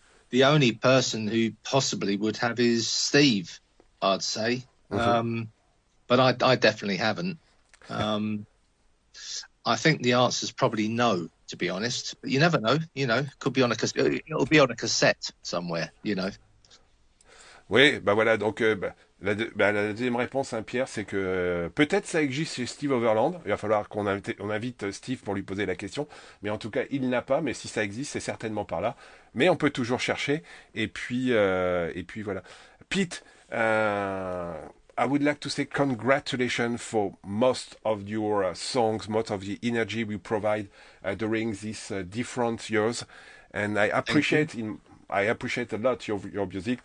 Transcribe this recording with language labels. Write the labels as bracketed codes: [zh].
[en] The only person who possibly would have is Steve, I'd say. But I definitely haven't. I think the answer is probably no, to be honest. But you never know, you know, could be on a it'll be on a cassette somewhere, you know. [fr] Oui, la deuxième réponse, hein, Pierre, c'est que peut-être ça existe chez Steve Overland. Il va falloir qu'on invite Steve pour lui poser la question. Mais en tout cas, il n'a pas. Mais si ça existe, c'est certainement par là. Mais on peut toujours chercher. Et puis voilà. [en] Pete, I would like to say congratulations for most of your songs, most of the energy we provide during these different years. And I appreciate I appreciate a lot your music.